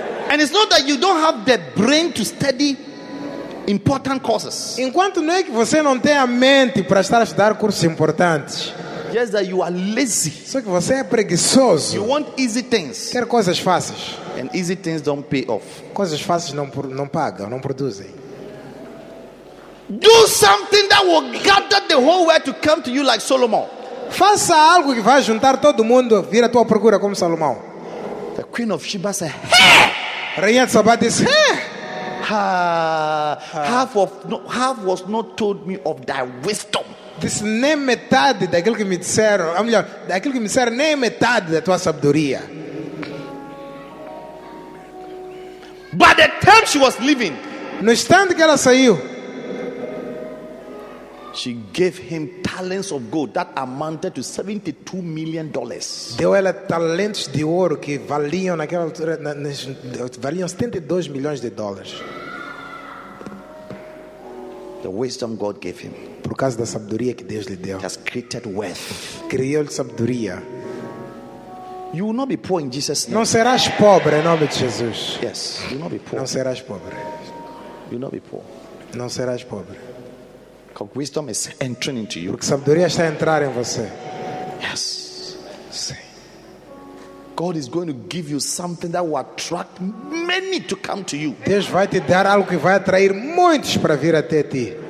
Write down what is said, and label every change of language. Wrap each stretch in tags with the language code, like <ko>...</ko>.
<en>And it's not that you don't have the brain to study important courses.</en> <pt>Enquanto não é que você não tem a mente para estar a estudar cursos importantes.</pt> <en>Just that you are lazy.</en> <pt>Só que você é preguiçoso.</pt> <en>You want easy things.</en> <pt>Quer coisas fáceis.</pt> <en>And easy things don't pay off.</en> <pt>Coisas fáceis não pagam, não produzem.</pt> <en>Do something that will gather the whole world to come to you like Solomon.</en> <pt>Faça algo que vai juntar todo mundo vir à tua procura como Salomão.</pt> <en>The Queen of Sheba said,</en> <pt>Rainha de Sabá disse,</pt> <en>half was not told me of thy wisdom.</en> <pt>This nem metade daquilo que me disseram, melhor, daquilo que me disseram nem metade da tua sabedoria.</pt> <en>By the time she was leaving,</en> <pt>no instante que ela saiu,</pt> <en>she gave him talents of gold that amounted to $72 million.</en> <pt>Deu ela talentos de ouro que valiam naquela altura, valiam 72 milhões de dólares.</pt> <en>The wisdom God gave him.</en> <pt>Por causa da sabedoria que Deus lhe deu.</pt> <en>Has created wealth.</en> <pt>Criou-lhe sabedoria.</pt> <en>You will not be poor in Jesus' name.</en> <pt>Não serás pobre em nome de Jesus.</pt> <en>Yes, you will not be poor.</en> <pt>Não serás pobre.</pt> <en>You will not be poor.</en> <pt>Não serás pobre.</pt> <en>Because wisdom is entering into you.</en> <pt>Porque sabedoria está a entrar em você.</pt> <en>Yes.</en> <pt>Sim.</pt> <en>God is going to give you something that will attract many to come to you.</en> <pt>Deus vai te dar algo que vai atrair muitos para vir até ti.</pt>